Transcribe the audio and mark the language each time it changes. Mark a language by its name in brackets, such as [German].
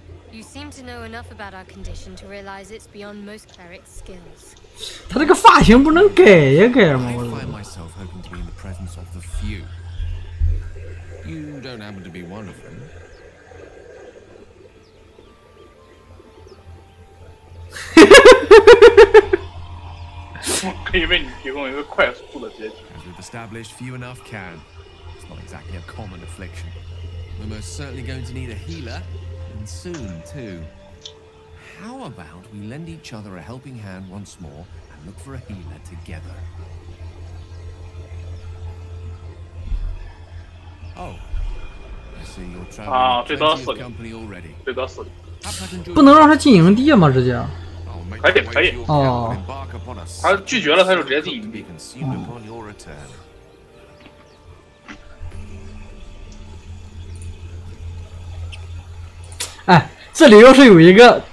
[English] You seem to know enough about our condition to realize it's beyond most cleric skills. [Chinese] 他这个发型不能改呀改吗？ [English] I find myself hoping to be in the presence of the few. You don't happen to be one of them. [Chinese] 可以为你提供一个快速的结局。 [English] As we've established, few enough can. It's not exactly a common affliction. We're most certainly going to need a healer, and soon too. How about we lend each other a helping hand once more and look for a healer together? Oh, I see you're traveling with company already. [Chinese] 不能让他进营地吗？直接？可以，可以。哦。他拒绝了，他就直接进营地。哦。哎，这里要是有一个。